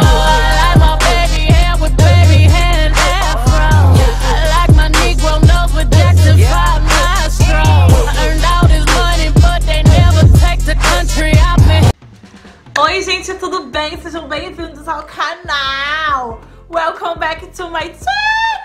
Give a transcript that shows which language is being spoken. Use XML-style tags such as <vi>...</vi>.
<en>I like my baby hair with baby hair and afro. I like my Negro nose with Jackson 5 nostrils. Earned all this money, but they never take the country out me.</en> <pt>Oi, gente, tudo bem? Sejam bem-vindos ao canal.</pt> <en>Welcome back to my channel.</en>